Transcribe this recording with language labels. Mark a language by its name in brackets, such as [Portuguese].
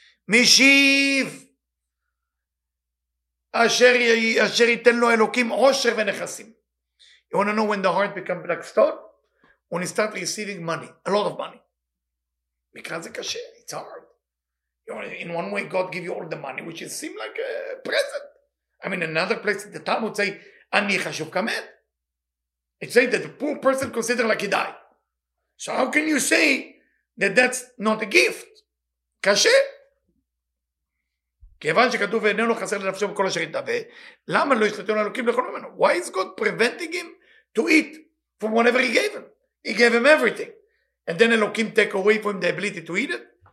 [Hebrew] משיב אשר ייתן לו אלוקים עושר ונכסים. [English] You want to know when the heart becomes like stone? When you start receiving money, a lot of money. Because it's קשה, it's hard. You know, in one way, God gives you all the money, which is seem like a present. I mean, another place, the Talmud would say, [Hebrew] אני חשוב כמת. [English] It says that the poor person consider like he died. So how can you say that that's not a gift? [Hebrew] קשה. כיוון שכתוב ואיננו חסר לנפשו בכל אשר יתאווה, למה לא ישתתנו אלוקים לכל ממנו? [English] Why is God preventing him to eat from whatever he gave him? He gave him everything. And then אלוקים take away from the ability to eat it?